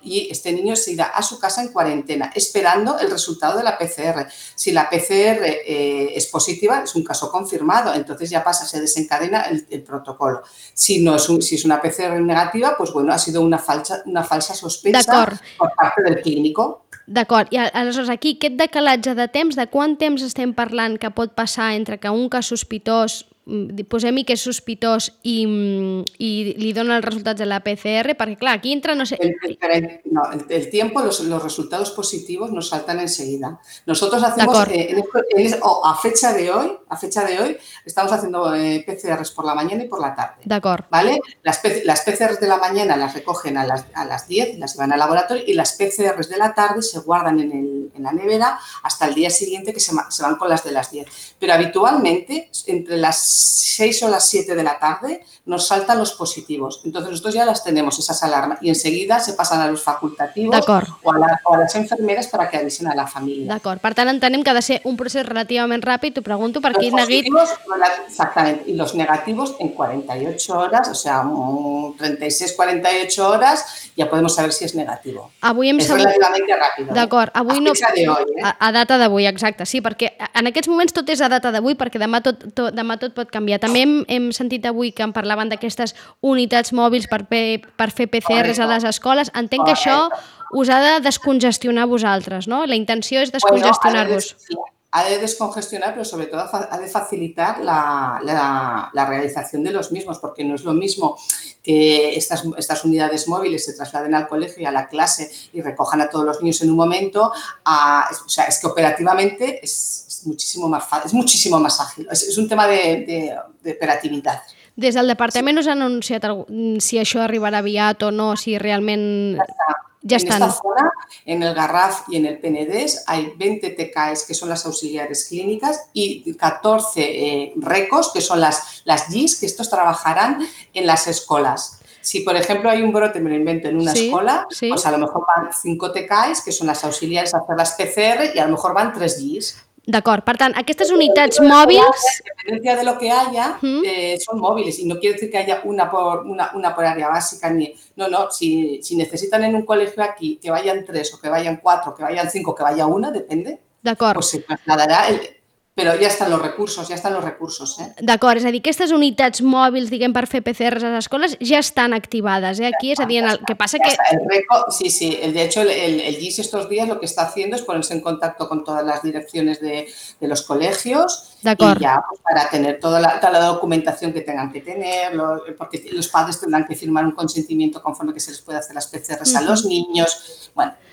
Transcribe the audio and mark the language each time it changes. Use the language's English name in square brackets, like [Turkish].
[Spanish] Y este niño se irá a su casa en cuarentena, esperando el resultado de la PCR. Si la PCR es positiva, es un caso confirmado, entonces ya pasa, se desencadena el protocolo. Si es una PCR negativa, pues bueno, ha sido una falsa sospecha. [Catalan] D'acord. [Spanish] Por parte del clínico. [Catalan] D'acord. I aleshores, aquí, aquest decalatge de temps, de quant temps estem parlant que pot passar entre que un cas sospitós, posem-hi que és sospitós i li dona els resultats de la PCR, perquè clar, aquí entra, no sé... [Spanish] El tiempo, los resultados positivos nos saltan enseguida. Nosotros hacemos, a fecha de hoy, estamos haciendo PCRs por la mañana y por la tarde. [Catalan] D'acord. [Spanish] ¿Vale? Las PCRs de la mañana las recogen a las 10, las llevan al laboratorio, y las PCRs de la tarde se guardan en la nevera hasta el día siguiente, que se van con las de las 10. Pero habitualmente, entre las 6 o las 7 de la tarde nos saltan los positivos. Entonces nosotros ya las tenemos, esas alarmas, y enseguida se pasan a los facultativos o a las enfermeras para que avisen a la familia. [Catalan] D'acord. Per tant, entenem que ha de ser un procés relativament ràpid, t'ho pregunto, per aquí n'ha dit... Exactament, i [Spanish] los negativos [Catalan] en 48 hores, [Spanish] o sea, [Catalan] 36-48 hores, ja podem saber si és negatiu. Avui hem sabut... És relativament ràpid. D'acord. A fixa d'avui, A data d'avui, exacte, sí, perquè en aquests moments tot és a data d'avui, perquè demà tot pot canviar. També hem sentit avui que em parlaven d'aquestes unitats mòbils per fer PCRs a les escoles. Entenc que això us ha de descongestionar vosaltres, no? La intenció és descongestionar-vos. Ha de descongestionar, [Spanish] pero sobre todo ha de facilitar la realización de los mismos, porque no es lo mismo que estas unidades móviles se trasladen al colegio y a la clase y recojan a todos los niños en un momento, es que operativamente es muchísimo más fácil, es muchísimo más ágil, es un tema de operatividad. [Catalan] Des del departament us han anunciat si això arribarà aviat o no, si realment... [Spanish] Ya en están. Esta zona, en el Garraf y en el Penedès, hay 20 TKEs, que son las auxiliares clínicas, y 14 RECOS, que son las GIS, que estos trabajarán en las escuelas. Si, por ejemplo, hay un brote, me lo invento, en una escuela, pues a lo mejor van 5 TKEs, que son las auxiliares a hacer las PCR, y a lo mejor van 3 GIS. [Catalan] D'acord. Per tant, aquestes unitats mòbils... [Spanish] Independència de lo que haya, son móviles. Y no quiero decir que haya una por área básica. No. Si necesitan en un colegio aquí que vayan 3 o que vayan 4 o que vayan 5 o que vaya 1, depende. [Catalan] D'acord. [Spanish] Pues se trasladará el... [Catalan] Però ja estan els recursos, ja estan els recursos. D'acord, és a dir, aquestes unitats mòbils, diguem, per fer PCRs a les escoles ja estan activades, aquí, és a dir, el que passa que... [Spanish] El RECO, sí, sí, de hecho, el GIS estos días lo que está haciendo es ponerse en contacto con todas las direcciones de los colegios. [Catalan] D'acord. [Spanish] Y ya, para tener toda la documentación que tengan que tener, porque los padres tendrán que firmar un consentimiento conforme que se les pueda hacer las PCRs a los niños, bueno...